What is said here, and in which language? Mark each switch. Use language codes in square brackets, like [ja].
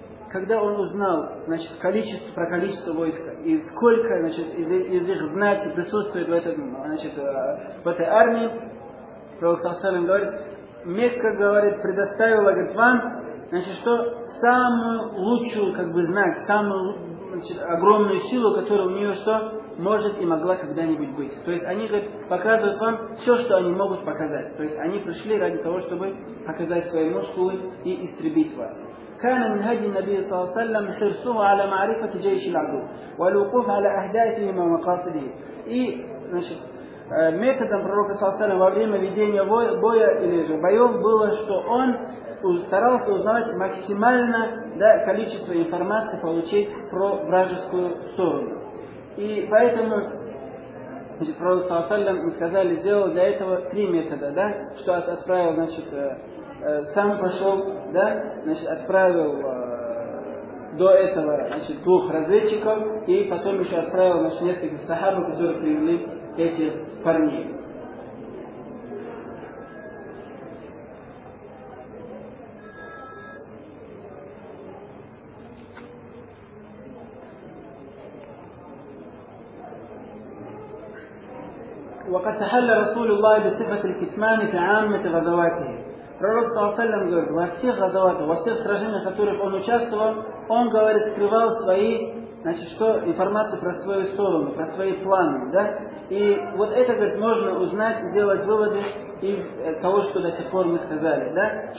[ru] Когда он узнал, значит, количество, про количество войска и сколько, значит, из их знати присутствует в этом, значит, в этой армии, пророк Саусалим говорит, Мекка, говорит, предоставила, говорит, вам, значит, что самую лучшую, как бы, знать, самую, значит, огромную силу, которая у нее что может и могла когда-нибудь быть. То есть они, говорит, показывают вам все, что они могут показать. То есть они пришли ради того, чтобы показать свои мускулы и истребить вас. [ar] كان من هدي النبي صلى الله عليه وسلم حرصه على معرفة جيش العدو والوقوف على أهدافه ومقاصده. [ru] И, значит, методом пророка صلى الله عليه وسلم во время ведения боя или же боев было, что он старался узнавать максимально, да, количество информации получить про вражескую сторону. И поэтому, значит, пророк صلى الله عليه وسلم, мы сказали, сделал для этого три метода, да, что отправил, значит, сам пошел, да, значит, отправил до этого, значит, двух разведчиков и потом еще отправил, значит, несколько сахаб, которые привели этих парней. [ar] وقد تحلى رسول الله بصفة الكتمان في عامة غزواته. [ru] Пророк Саусалям говорит, во всех разговорах, во всех сражениях, в которых он участвовал, он, говорит, скрывал свои, значит, что, информацию про свою сторону, про свои планы, да? И вот это, говорит, можно узнать, сделать выводы из того, что до сих пор мы сказали, да?